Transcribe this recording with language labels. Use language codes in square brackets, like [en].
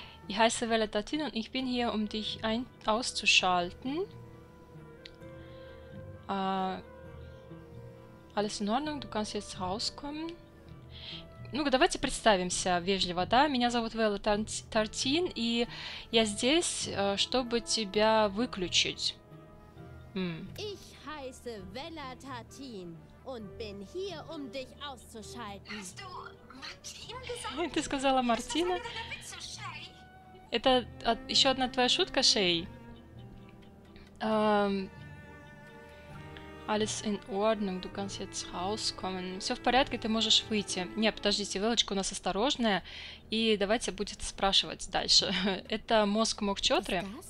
[de] Ich heiße Veletatin und ich bin hier, um dich auszuschalten. Alles in Ordnung, du kannst jetzt rauskommen. [ru] Ну, давайте представимся вежливо, да? Меня зовут Вела Тартин, и я здесь, чтобы тебя выключить. [de] Ich heiße Vela Tartin und bin hier, um dich auszuschalten. Hast du Martin gesagt? [ru] Ты сказала Мартина? Это еще одна твоя шутка, Шей? [de] Alles in Ordnung, du kannst jetzt rauskommen. [ru] Все в порядке, ты можешь выйти. Не, подождите, Велочка у нас осторожная. И давайте будет спрашивать дальше. Это мозг Мок Чотры?